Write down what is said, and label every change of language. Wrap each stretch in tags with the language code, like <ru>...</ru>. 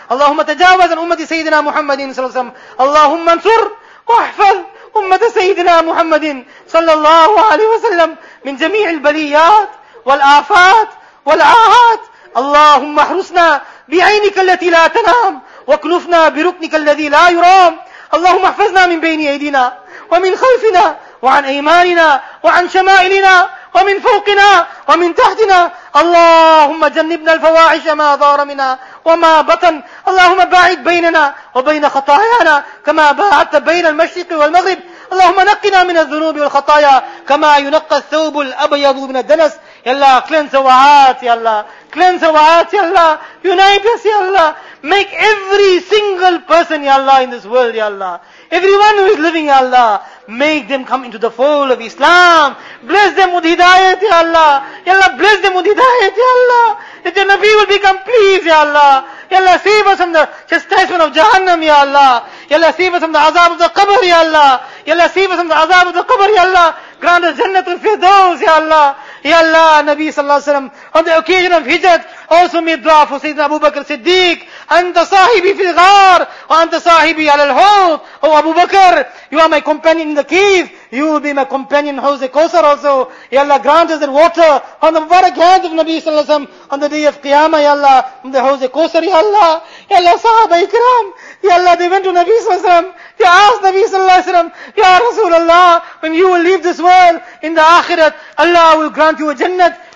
<ar>Allahumma tajawaz an ummati Sayyidina Muhammadin sallallahu alayhi wa sallam. Allahumma ansur wa ahfal ummati Sayyidina Muhammadin sallallahu alayhi wa sallam min jami'il baliyat wal afat wal ahat. Allahumma ahrusna bi'aynika allati la tanam wa klufna biruknika alladhi la yuram. Allahumma ahfazna min bayni aydina wa min khalfina وعن أيماننا وعن شمائلنا ومن فوقنا ومن تحتنا. اللهم جنبنا الفواحش ما ظهر منها وما بطن. اللهم باعد بيننا وبين خطايانا كما باعدت بين المشرق والمغرب. اللهم نقنا من الذنوب والخطايا كما ينقى الثوب الأبيض من الدنس.</ar> <en>يلا cleanse our hearts, يلا cleanse our hearts, يلا unite us, يلا make every single person, يلا in this world, يلا everyone who is living, يا الله, make them come into the fold of Islam. Bless them with hidayat, يا الله. يا الله, bless them with hidayat, يا الله. That the Nabi will become pleased, يا الله. يا الله, save us from the chastisement of Jahannam, يا الله. يا الله, save us from the azab of the qabr, يا الله. يا الله, save us from the azab of the qabr, يا الله. Grant us jannat and firdaus, يا الله. يا الله, Nabi sallallahu alayhi wa sallam, on the occasion of hijrat, also made dua for Sayyidina Abu Bakr Siddiq.</en> <ar>أنت صاحبي في الغار وأنت صاحبي على الحوض.</ar> <en>Oh Abu Bakr, you are my companion in the cave. You will be my companion in Hawz al-Kawthar also. Ya Allah, grant us that water on the Mubarak hand of Nabi sallallahu alayhi wa sallam on the day of Qiyamah, Ya Allah, from the Hawz al-Kawthar, Ya Allah. Ya Allah, sahaba ikram, Ya Allah, they went to Nabi sallallahu alayhi wa sallam. They asked Nabi sallallahu alayhi wa sallam, Ya Rasulullah, when you will leave this world in the Akhirat, Allah will grant you a Jannat.</en>